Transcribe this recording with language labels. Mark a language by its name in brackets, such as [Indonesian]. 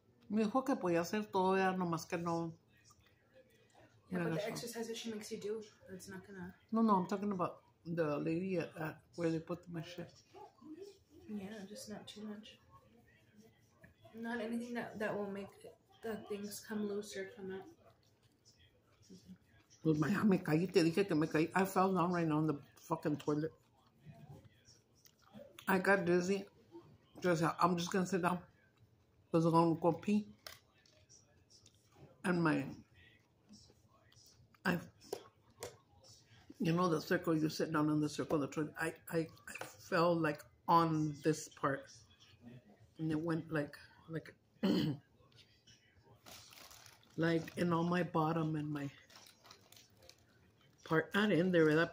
[Spanish] Me dijo que podía hacer todo, ya nomás que no. [English] Yeah, but the exercise that she makes you do, it's not gonna. No, I'm talking about the lady at where they put my shit. Yeah, just not too much. Not anything that will make the things come looser from that. [Spanish] Pues, my me caí, te dije que me caí. [English] I fell down right now in the fucking toilet. I got dizzy. Just, I'm just gonna sit down. Because I'm going to go pee. and my, I, you know, the circle, you sit down in the circle, the toilet, I fell like on this part, and it went like, like in all my bottom and my part, not in there, [Spanish] ¿verdad?